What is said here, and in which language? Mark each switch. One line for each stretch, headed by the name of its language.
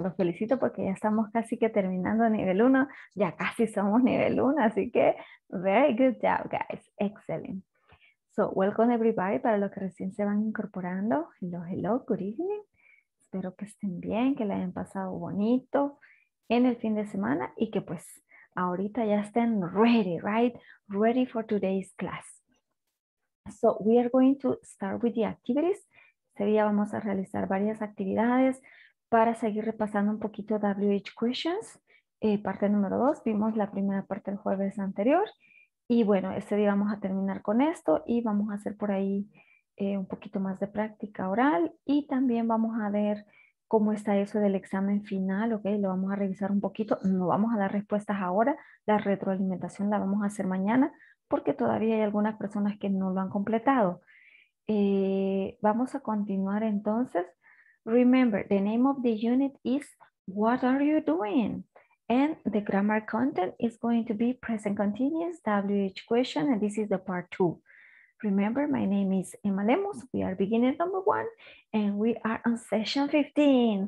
Spanish: Los felicito porque ya estamos casi que terminando nivel 1, ya casi somos nivel 1, así que
English: very good job, guys. Excellent. So, welcome everybody
Spanish: para los que recién se van incorporando.
English: Hello, hello, good evening.
Spanish: Espero que estén bien, que la hayan pasado bonito en el fin de semana y que pues ahorita ya estén
English: ready, right? Ready for today's class. So, we are going to start with the activities.
Spanish: Este día vamos a realizar varias actividades para seguir repasando un poquito WH questions. Parte número 2, vimos la primera parte el jueves anterior. Y bueno, este día vamos a terminar con esto y vamos a hacer por ahí un poquito más de práctica oral. Y también vamos a ver cómo está eso del examen final, ¿ok? Lo vamos a revisar un poquito. No vamos a dar respuestas ahora. La retroalimentación la vamos a hacer mañana, porque todavía hay algunas personas que no lo han completado. Vamos a continuar entonces.
English: Remember, the name of the unit is What Are You Doing? And the grammar content is going to be present continuous WH question, and this is the part 2. Remember, my name is Emma Lemus. We are beginner number 1, and we are on session 15.